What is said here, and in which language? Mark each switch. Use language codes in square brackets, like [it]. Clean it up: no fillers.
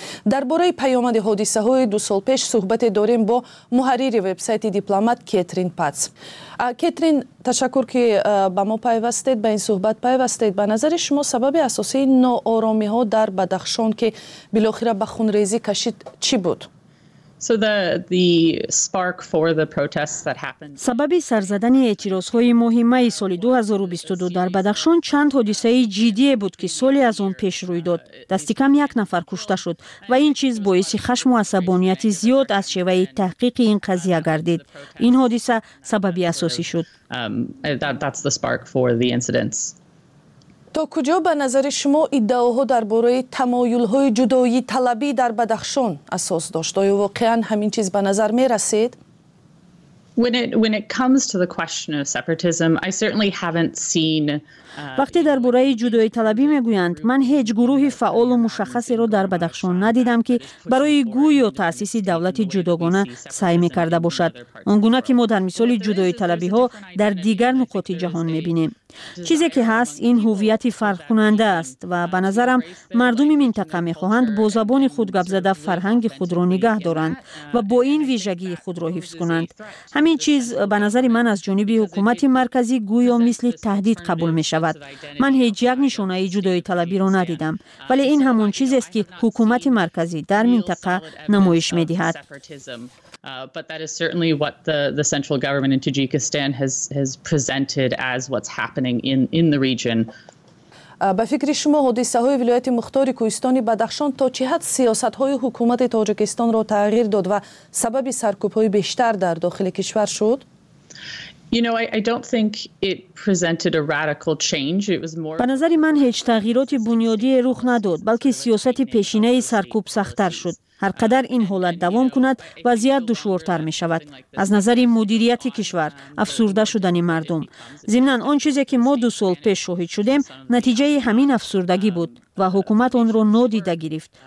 [fa] درباره پیامد حادثه های دو سال پیش صحبت داریم با محرر وبسایت دیپلمات کترین پاتس. کترین، تشکر که با ما پیوستید، با این صحبت پیوستید. به نظر شما سبب اساسی ناآرامی ها در بدخشان که بالاخره به خونریزی کشید چی بود؟ [en] So the spark for the protests that happened. [fa] سبب سرزدن اعتراض های ماه می سال 2022 در بدخشان چند حادثه جدی بود که سالی از آن پیش روی داد. دست کم یک نفر کشته شد و این چیز باعث خشم و عصبانیت زیاد از شیوه تحقیق این قضیه گردید. این حادثه سبب اساسی شد. [en] That's the spark for the incidents. [fa] تا کجا به نظر شما ادعاها درباره تمایل های جدایی طلبی در بدخشان اساس داشت؟ آیا واقعا همین چیز به نظر می رسید؟ [en] When it comes to the question of separatism, I certainly haven't seen [fa] وقتی در برای جدای طلبی میگویند من هیچ گروه فعال و مشخصی را در بدخشان ندیدم که برای گوی و تأسیس دولت جداگانه سعی میکرده باشد. آنگونه که ما در مثال جدای طلبی ها در دیگر نقاط جهان میبینیم. چیزی که هست این هویت فرق کننده است و به نظرم مردم منطقه میخواهند با زبان خود گپ زده فرهنگ خود را نگه دارند و با این ویژگی خود را حفظ کنند. همین چیز به نظر من از جانب حکومت مرکزی گویا مثل تهدید قبول می شود. من هیچ یک نشانه جدای طلبی را ندیدم، ولی این همون چیز است که حکومت مرکزی در منطقه نمایش می دهد. [en] But that is certainly what the central government in Tajikistan has presented as what's happening in the region. [fa] به فکر شما حادثه‌های ولایت مختار کوهستان بدخشان تا چه حد سیاست‌های حکومت تاجیکستان را تغییر داد و سبب سرکوب‌های بیشتر در داخل کشور شد؟ [en] I don't think it presented a radical change. It was more [fa] به نظر من هیچ تغییرات بنیادی رخ نداد، بلکه سیاست پیشینه سرکوب سخت‌تر شد. هر قدر این حالت دوام کند وضعیت دشوارتر می شود. از نظر مدیریت کشور، افسرده شدن مردم. ضمناً آن چیزی که ما 2 سال پیش شاهد شدیم نتیجه همین افسردگی بود و حکومت آن را نادیده گرفت.